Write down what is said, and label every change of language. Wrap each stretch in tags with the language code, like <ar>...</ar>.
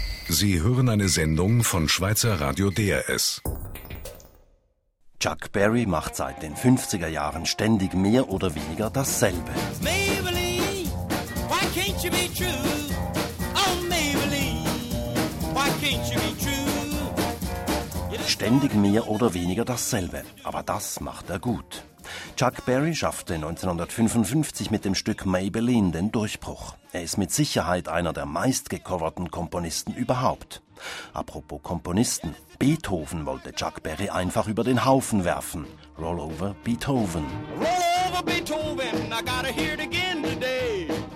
<de>Sie hören eine Sendung von Schweizer Radio DRS. Chuck Berry macht seit den 50er Jahren ständig mehr oder weniger dasselbe.</de> <en>Maybelline, why can't you be true? Oh, Maybelline, why can't you be true?</en> <de>Ständig mehr oder weniger dasselbe, aber das macht er gut. Chuck Berry schaffte 1955 mit dem Stück Maybelline den Durchbruch. Er ist mit Sicherheit einer der meistgecoverten Komponisten überhaupt. Apropos Komponisten, Beethoven wollte Chuck Berry einfach über den Haufen werfen.</de> <en>Roll over Beethoven. Roll over Beethoven, I gotta hear it again today.</en>